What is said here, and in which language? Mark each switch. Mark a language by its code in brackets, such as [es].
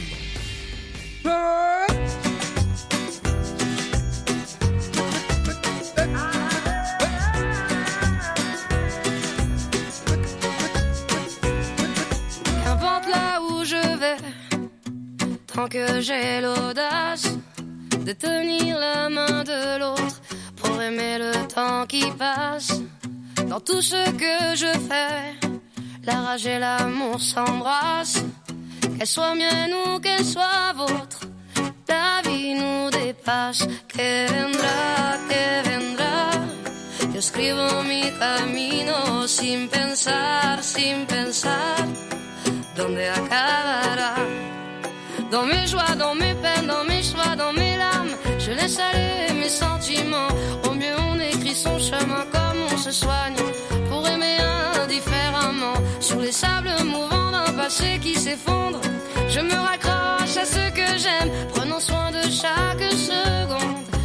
[fr] Qu'importe là où je vais, tant que j'ai l'audace de tenir la main de l'autre pour aimer le temps qui passe. Dans tout ce que je fais, la rage et l'amour s'embrassent. Qu'elle soit mienne ou qu'elle soit vôtre, ta vie nous dépasse. [es] Que vendrá, que vendrá. Yo escribo mi camino sin pensar, sin pensar. Dónde acabará. [fr] Dans mes joies, dans mes peines, dans mes choix, dans mes larmes, je laisse aller mes sentiments. Au mieux on écrit son chemin comme on se soigne, pour aimer indifféremment. Sur les sables mouvants d'un passé qui s'effondre, je me raccroche à ce que j'aime, prenant soin de chaque seconde.